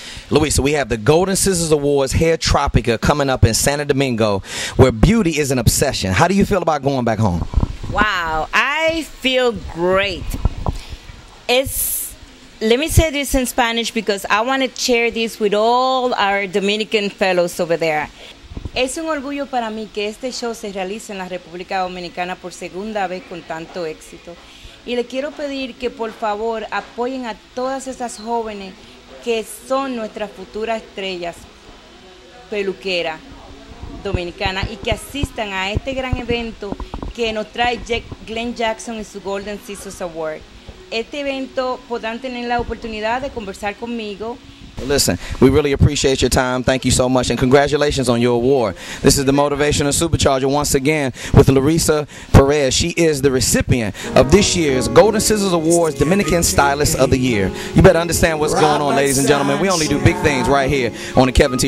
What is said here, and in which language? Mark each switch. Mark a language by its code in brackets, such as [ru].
[en] Luisa, we have the Golden Scissors Awards Hair Tropica coming up in Santo Domingo, where beauty is an obsession. How do you feel about going back home? Wow, I feel great. Let me say this in Spanish because I want to share this with all our Dominican fellows over there. [es] Es un orgullo para mí que este show se realice en la República Dominicana por segunda vez con tanto éxito. Y le quiero pedir que por favor apoyen a todas esas jóvenes que son nuestras futuras estrellas peluquera dominicana y que asistan a este gran evento que nos trae Glenn Jackson y su Golden Scissors Award. Este evento podrán tener la oportunidad de conversar conmigo. [en] Listen, we really appreciate your time. Thank you so much, and congratulations on your award. This is the Motivational Supercharger once again with Luisa Perez. She is the recipient of this year's Golden Scissors Awards Dominican Stylist of the Year. You better understand what's going on, ladies and gentlemen. We only do big things right here on the Kevin T.